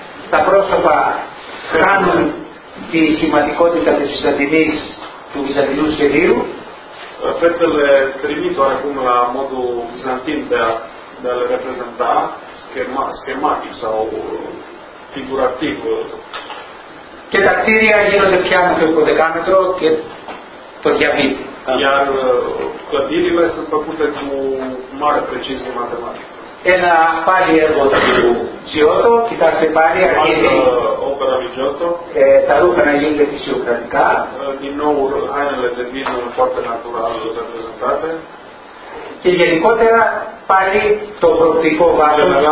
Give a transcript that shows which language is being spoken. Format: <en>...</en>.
<el>Τα πρόσωπα χάνουν τη σημαντικότητα της Βυζαντινής, του Βυζαντινού σχεδίου.</el> <ro>Fețele trimite acum la modul bizantin de a le reprezenta schematic sau figurativ.</ro> <el>Και τα κτίρια γίνονται πια με το υποδεκάμετρο και το διαβίτη.</el> <ro>Iar clădirile sunt făcute cu mare precizie matematică.</ro> <el>Ένα πάλι έργο του Τζιότο, κοιτάξτε πάλι, αρχίζει τα ρούχα να γίνονται φυσιοκρατικά.</el> <ro>Din nou, hainele devin foarte natural reprezentate.</ro> <el>Και γενικότερα πάλι το προοπτικό βάζο.</el>